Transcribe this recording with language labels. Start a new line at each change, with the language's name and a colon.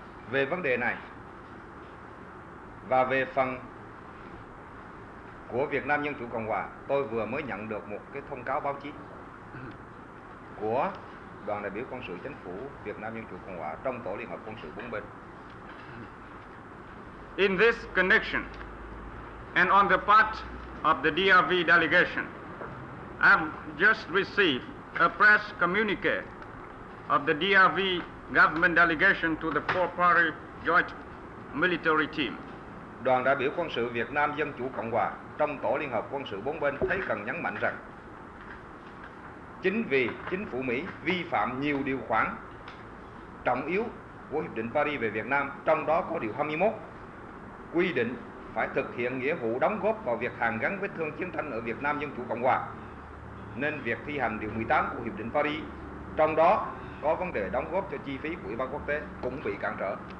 Vietnamese: Về vấn đề này và về phần của Việt Nam Dân Chủ Cộng Hòa, tôi vừa mới nhận được một cái thông cáo báo chí của đoàn đại biểu quân sự chính phủ Việt Nam Dân Chủ Cộng Hòa trong tổ liên hợp quân sự bốn bên.
English: In this connection and on the part of the DRV delegation, I've just received a press communique of the DRV government delegation to the four-party joint military team.
Vietnamese: Đoàn đại biểu quân sự Việt Nam Dân Chủ Cộng Hòa trong tổ liên hợp quân sự bốn bên thấy cần nhấn mạnh rằng chính vì chính phủ Mỹ vi phạm nhiều điều khoản trọng yếu của Hiệp định Paris về Việt Nam, trong đó có điều 21 quy định phải thực hiện nghĩa vụ đóng góp vào việc hàn gắn vết thương chiến tranh ở Việt Nam Dân Chủ Cộng Hòa, nên việc thi hành điều 18 của Hiệp định Paris, trong đó có vấn đề đóng góp cho chi phí của Ủy ban quốc tế, cũng bị cản trở.